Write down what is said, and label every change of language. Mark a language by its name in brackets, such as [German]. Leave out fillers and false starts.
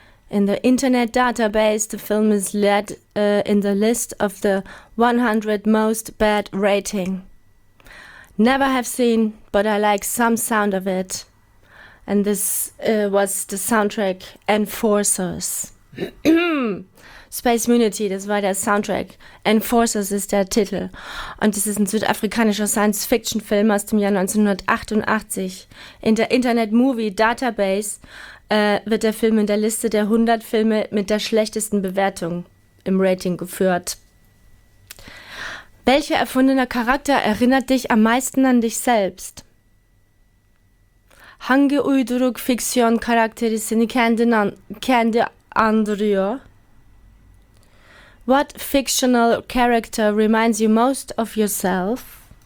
[English] In the internet database, the film is led in the list of the 100 most bad rating. Never have seen, but I like some sound of it. And this was the soundtrack Enforcers. [German] Space Immunity, das war der Soundtrack. Enforcers ist der Titel. Und das ist ein südafrikanischer Science-Fiction-Film aus dem Jahr 1988. In der Internet-Movie-Database wird der Film in der Liste der 100 Filme mit der schlechtesten Bewertung im Rating geführt. Welcher erfundene Charakter erinnert dich am meisten an dich selbst? [Turkish] Hangi uyduruk fiksiyon karakteri seni kendi andırıyor? [English] What fictional character reminds you most of yourself?